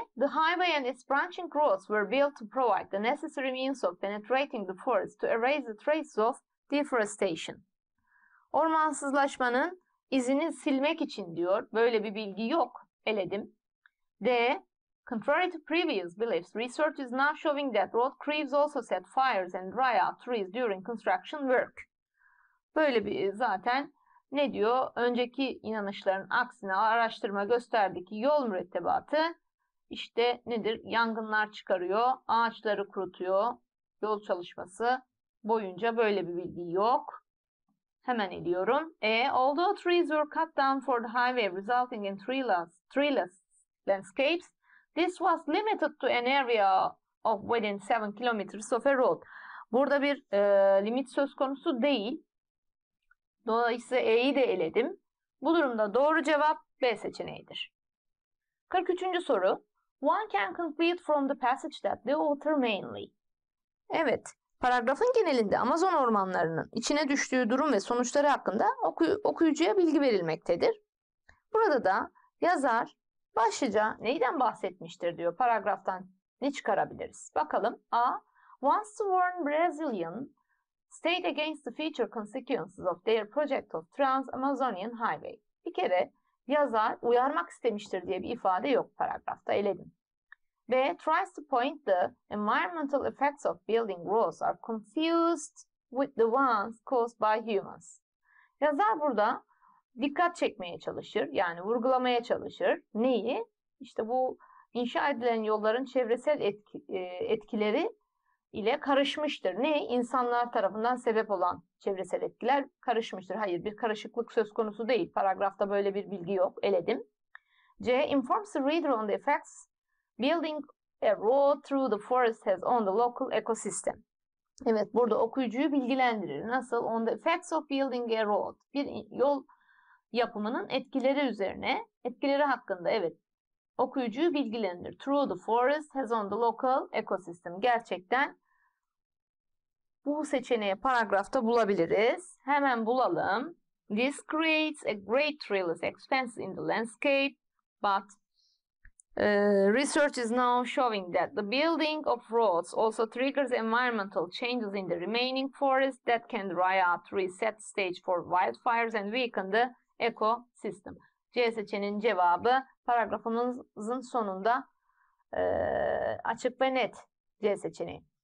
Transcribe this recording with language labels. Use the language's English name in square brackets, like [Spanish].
[English] The highway and its branching roads were built to provide the necessary means of penetrating the forest to erase the traces of deforestation. [Turkish] Ormansızlaşmanın izini silmek için diyor. Böyle bir bilgi yok. Eledim. [English] D. Contrary to previous beliefs, research is now showing that road crews also set fires and dry out trees during construction work. [Turkish] Böyle bir zaten ne diyor? Önceki inanışların aksine araştırma gösterdi ki yol mürettebatı işte nedir? Yangınlar çıkarıyor, ağaçları kurutuyor. Yol çalışması boyunca böyle bir bilgi yok. Hemen ediyorum. [English] E, although trees were cut down for the highway resulting in treeless landscapes, this was limited to an area of within 7 kilometers of a road. [Turkish] Burada bir limit söz konusu değil. Dolayısıyla E'yi de eledim. Bu durumda doğru cevap B seçeneğidir. 43. soru. [English] One can conclude from the passage that the author mainly. [Turkish] Evet. Paragrafın genelinde Amazon ormanlarının içine düştüğü durum ve sonuçları hakkında okuyucuya bilgi verilmektedir. Burada da yazar başlıca neyden bahsetmiştir diyor. Paragraftan ne çıkarabiliriz? Bakalım. A. [English] Once to warn Brazilian state against the future consequences of their project of Trans-Amazonian Highway. [Turkish] Bir kere yazar uyarmak istemiştir diye bir ifade yok paragrafta. Eledim. B. [English] Tries to point the environmental effects of building roads are confused with the ones caused by humans. [Turkish] Yazar burada dikkat çekmeye çalışır, yani vurgulamaya çalışır. Neyi? İşte bu inşa edilen yolların çevresel etkileri ile karışmıştır. Ne? İnsanlar tarafından sebep olan çevresel etkiler karışmıştır. Hayır, bir karışıklık söz konusu değil. Paragrafta böyle bir bilgi yok. Eledim. C. [English] Informs the reader on the effects building a road through the forest has on the local ecosystem. [Turkish] Evet, burada okuyucuyu bilgilendirir. Nasıl? [English] On the effects of building a road. [Turkish] Bir yol yapımının etkileri üzerine, etkileri hakkında, evet, okuyucuyu bilgilendirir. [English] Through the forest has on the local ecosystem. [Turkish] Gerçekten bu seçeneği paragrafta bulabiliriz. Hemen bulalım. [English] This creates a great treeless expanse in the landscape, but research is now showing that the building of roads also triggers environmental changes in the remaining forest that can dry out trees, set stage for wildfires and weaken the ecosystem. [Turkish] C seçeneğinin cevabı paragrafımızın sonunda açık ve net C seçeneği.